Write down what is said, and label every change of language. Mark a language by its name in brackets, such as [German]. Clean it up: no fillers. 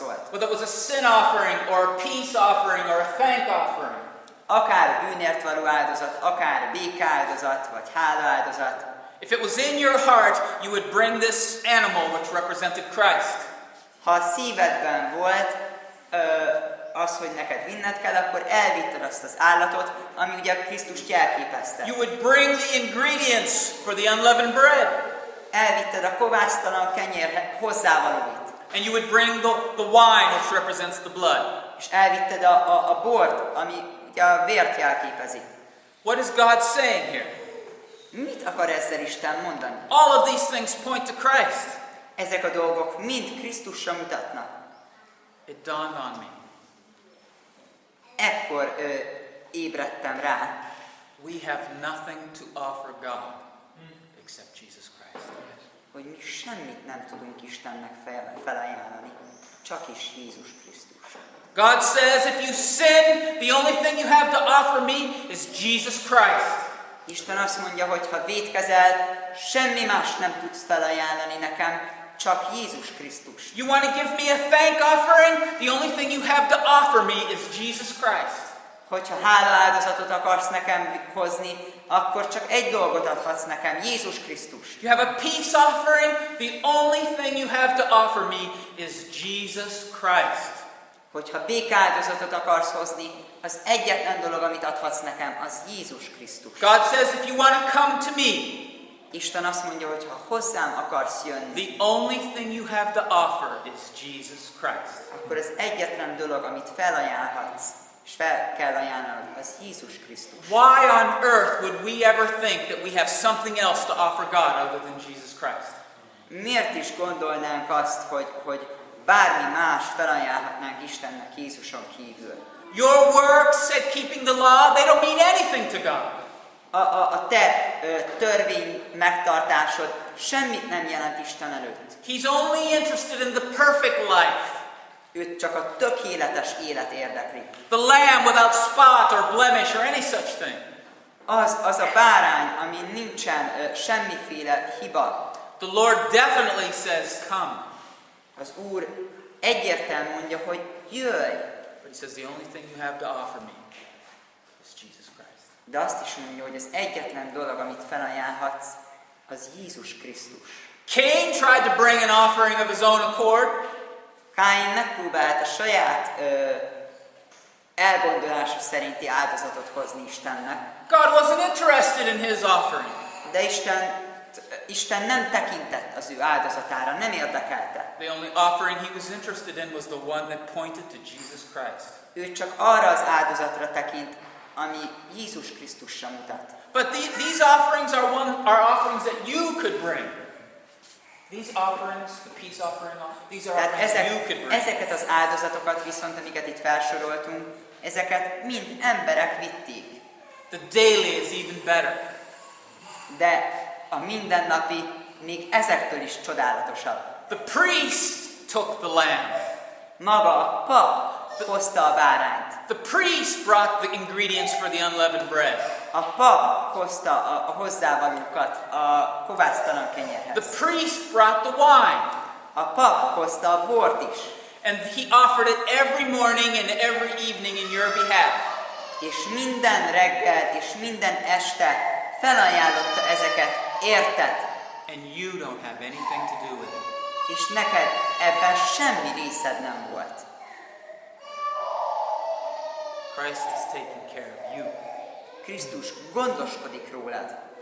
[English] Whether it was a sin offering or a peace offering or a thank offering. [Hungarian] Akár bűnért való áldozat, akár békáldozat, vagy hálaáldozat. [English] If it was in your heart, you would bring this animal which represented Christ. [Hungarian] Ha a szívedben volt, az, hogy neked vinned kell, akkor elvitted azt az állatot, ami ugye Krisztust jelképezte. [English] You would bring the ingredients for the unleavened bread. [Hungarian] Elvitted a kovásztalan kenyér hozzávalóit. [English] And you would bring the wine, which represents the blood. [Hungarian] És elvitted a bort, ami ugye a vért jelképezi. [English] What is God saying here? [Hungarian] Mit akar ezzel Isten mondani? [English] All of these things point to Christ. [Hungarian] Ezek a dolgok mind Krisztusra mutatnak. [English] It dawned on me. [Hungarian] Ekkor ébredtem rá. [English] We have nothing to offer God except Jesus Christ. [Hungarian] Hogy mi semmit nem tudunk Istennek felajánlani, csak is Jézus Krisztus. [English] God says, if you sin, the only thing you have to offer me is Jesus Christ. [Hungarian] Isten azt mondja, hogy ha vétkezel, semmi más nem tudsz felajánlani nekem, csak Jézus Krisztus. [English] You want to give me a thank offering? The only thing you have to offer me is Jesus Christ. [Hungarian] Hogyha hálaáldozatot akarsz nekem hozni, akkor csak egy dolgot adhatsz nekem, Jézus Krisztus. [English] You have a peace offering? The only thing you have to offer me is Jesus Christ. [Hungarian] Hogyha békáldozatot akarsz hozni, az egyetlen dolog, amit adhatsz nekem, az Jézus Krisztus. [English] God says, if you want to come to me, [Hungarian] Isten azt mondja, hogy ha hozzám akarsz jönni, [English] the only thing you have to offer is Jesus Christ. [Hungarian] Akkor az egyetlen dolog, amit felajánlhatsz, és fel kell ajánlod, az Jézus Krisztus. [English] Why on earth would we ever think that we have something else to offer God other than Jesus Christ? [Hungarian] Miért is gondolnánk azt, hogy bármi más felajánlhatnánk Istennek Jézuson kívül? [English] Your works at keeping the law, they don't mean anything to God. [Hungarian] A te törvény megtartásod semmit nem jelent Isten előtt. [English] He's only interested in the perfect life. [Hungarian] Őt csak a tökéletes élet érdekli. [English] The lamb without spot or blemish or any such thing. [Hungarian] Az a bárány, ami nincsen semmiféle hiba. [English] The Lord definitely says, come. [Hungarian] Az Úr egyértelműen mondja, hogy jöjj. [English] But he says, the only thing you have to offer me is Jesus Christ. [Hungarian] De azt is mondja, hogy az egyetlen dolog, amit felajánlhatsz, az Jézus Krisztus. [English] Cain tried to bring an offering of his own accord. [Hungarian] Cain megpróbált a saját elgondolása szerinti áldozatot hozni Istennek. [English] God wasn't interested in his offering. [Hungarian] De Isten nem tekintett az ő áldozatára, nem érdekelte. [English] The only offering he was interested in was the one that pointed to Jesus Christ. [Hungarian] Ő csak arra az áldozatra tekint, ami Jézus Krisztusra mutat. [English] But these offerings are offerings that you could bring. These offerings, the peace offering, these are offerings you could bring. [Hungarian] Ezeket az áldozatokat viszont, amiket itt felsoroltunk, ezeket mind emberek vitték. [English] The daily is even better. [Hungarian] De a mindennapi még ezektől is csodálatosabb. [English] The priest took the lamb. [Hungarian] Maga a pap hozta a bárányt. [English] The priest brought the ingredients for the unleavened bread. [Hungarian] A pap hozta a hozzávalókat a kovásztalan kenyérhez. [English] The priest brought the wine. [Hungarian] A pap hozta a bort is. [English] And he offered it every morning and every evening in your behalf. [Hungarian] És minden reggel és minden este felajánlotta ezeket érted. [English] And you don't have anything to do with it. [Hungarian] És neked ebben semmi részed nem volt. [English] Christ is taking care of you. [Hungarian] Krisztus gondoskodik rólad.